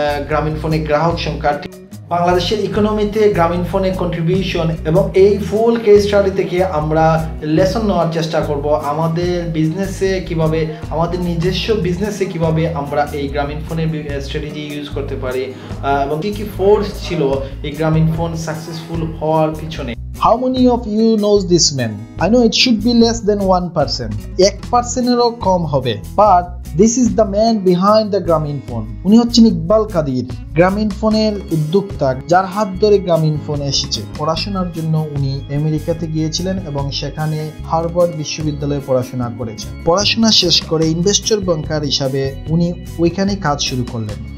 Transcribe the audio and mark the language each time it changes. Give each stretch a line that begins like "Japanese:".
Bangla: Grameenphone-এর গ্রাহক সংখ্যা, বাংলাদেশের ইকোনমিতে Grameenphone-এর কন্ট্রিবিউশন এবং এই ফুল কেস স্টাডি থেকে আমরা লেসন নেওয়ার চেষ্টা করব আমাদের বিজনেসে কিভাবে আমাদের নিজস্ব বিজনেসে কিভাবে আমরা এই Grameenphone-এর স্ট্র্যাটেজি ইউজ করতে পারি এবং কি কি ফোর্স ছিল এই Grameenphone সাকসেসফুল হওয়ার পিছনে
English: How many of you knows this man? I know it should be less than 1%.
Bangla: 1% এরও কম হবে.
English: But this is the man behind the Grameenphone.
Bangla: উনি হচ্ছেন ইকবাল কাদির, Grameenphone-এর উদ্যোক্তা, যার হাত ধরে Grameenphone এসেছে. পড়াশোনার জন্য উনি আমেরিকাতে গিয়েছিলেন এবং সেখানে হার্ভার্ড বিশ্ববিদ্যালয়ে পড়াশোনা করেছেন. পড়াশোনা শেষ করে ইনভেস্টর ব্যাংকার হিসাবে উনি ওইখানে কাজ শুরু করলেন.